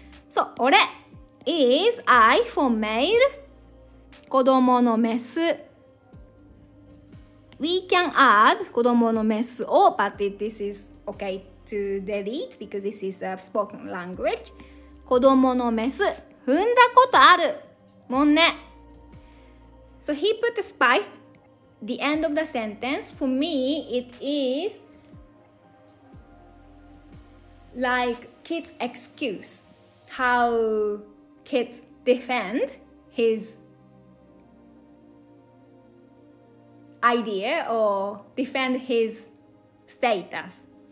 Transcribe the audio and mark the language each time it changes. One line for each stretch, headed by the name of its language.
English: So, ore is I for male,
Japanese: kodomo no mesu.
English: We can add
Japanese: 子供のメスを
English: but this is okay to delete because this is a spoken language.
Japanese: 子供のメス踏んだことあるもんね。
English: So he put the spice the end of the sentence. For me, it is like kids excuse how kids defend his idea or defend his status.